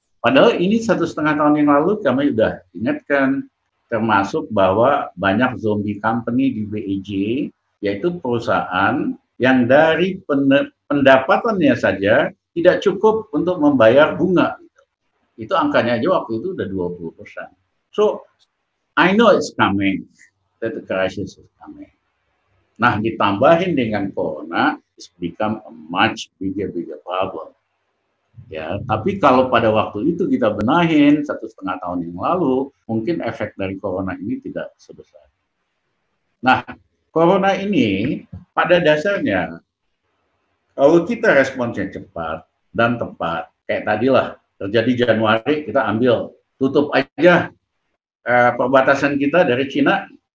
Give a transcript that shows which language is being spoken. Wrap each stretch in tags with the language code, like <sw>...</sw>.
<id>Padahal ini 1,5 tahun yang lalu kami sudah ingatkan, termasuk bahwa banyak zombie company di BEJ, yaitu perusahaan yang dari pendapatannya saja tidak cukup untuk membayar bunga. Itu angkanya aja waktu itu udah 20%.</id> <en>So, I know it's coming, that the crisis is coming.</en> <id>Nah, ditambahin dengan corona,</id> <en>it's become a much bigger problem.</en> <id>Ya, tapi kalau pada waktu itu kita benahin 1,5 tahun yang lalu, mungkin efek dari corona ini tidak sebesar. Nah, corona ini pada dasarnya kalau kita responnya cepat dan tepat, kayak tadilah terjadi Januari kita ambil tutup aja perbatasan kita dari Cina.</id>